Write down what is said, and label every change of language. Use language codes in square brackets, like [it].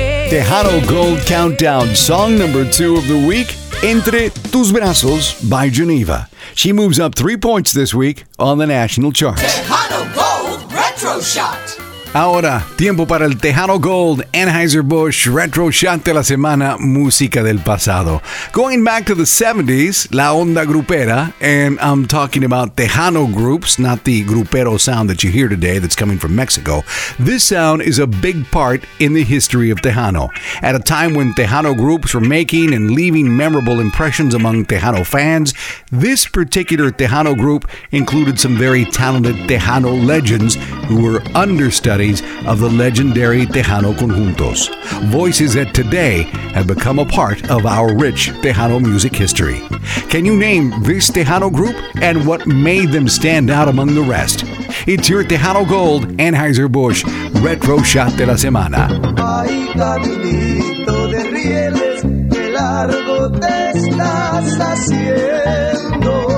[en] Tejano Gold Countdown, song number two of the week, Entre Tus Brazos by Geneva. She moves up 3 points this week on the national chart. Tejano Gold Retro Shot. [es] Ahora, tiempo para el Tejano Gold Anheuser-Busch Retro Shot de la Semana, música del pasado. [en] Going back to the 70s, [es] la onda grupera, [en] and I'm talking about Tejano groups, not the grupero sound that you hear today that's coming from Mexico. This sound is a big part in the history of Tejano. At a time when Tejano groups were making and leaving memorable impressions among Tejano fans, this particular Tejano group included some very talented Tejano legends who were understudied of the legendary Tejano Conjuntos, voices that today have become a part of our rich Tejano music history. Can you name this Tejano group and what made them stand out among the rest? It's your Tejano Gold Anheuser-Busch Retro Shot [es] de la Semana. Ay, caminito de rieles, qué largo te estás haciendo.